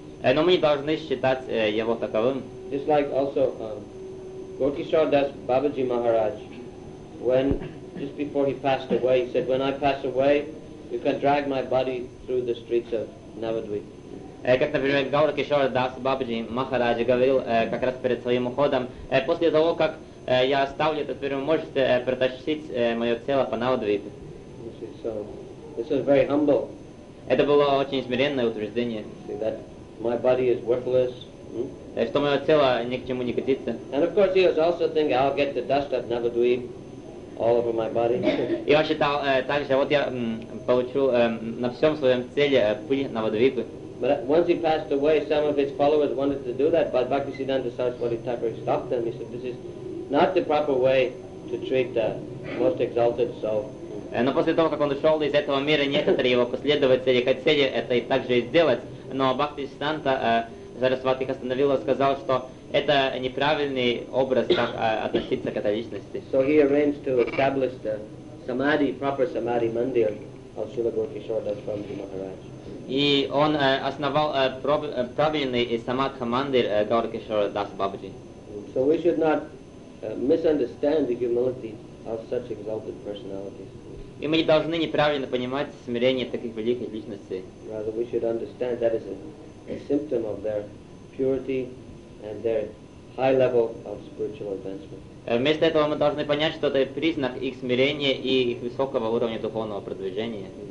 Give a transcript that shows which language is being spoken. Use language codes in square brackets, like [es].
[ru] Но мы не должны считать его таковым. [en] Just like also Gorkhishwar Das Babaji Maharaj, when just before he passed away, he said, "When I pass away, you can drag my body through the streets of Navadvip." [ru] Как, например, Гаурикишор Дас Бабаджи Махарадж говорил как раз перед своим уходом, после того, как я оставлю этот мир, вы можете протащить мое тело по Навадвипе. [en] So, this was very humble. [ru] Это было очень смиренное утверждение. [en] See that my body is worthless. [ru] Что мое тело ни к чему не годится. [en] And of course he was also thinking, I'll get the dust of Navadvip all over my body. [ru] И он считал также, вот я получу на всем своем теле пыль Навадвипы. [en] But once he passed away, some of his followers wanted to do that, but Bhaktisiddhanta Saraswati Thakur stopped them. He said, this is not the proper way to treat the most exalted soul. [ru] Но после того, как он ушел из этого мира, некоторые его последователи хотели это и так же сделать, но Бхактисиддханта Сарасвати остановила и сказал, что это неправильный образ, как относиться к этой личности. [en] So he arranged to establish the samadhi, proper samadhi mandir of Srila Gorkhishwar Das Babaji Maharaj. [ru] И он основал правильный самадхи мандир Гаурикишора Дас Бабаджи. [en] So we should not misunderstand the humility of such exalted personalities. [ru] И мы не должны неправильно понимать смирение таких великих личностей. [en] Rather we should understand that is a symptom of their purity and their high level of spiritual advancement. [ru] Вместо этого мы должны понять, что это признак их смирения и их высокого уровня духовного продвижения.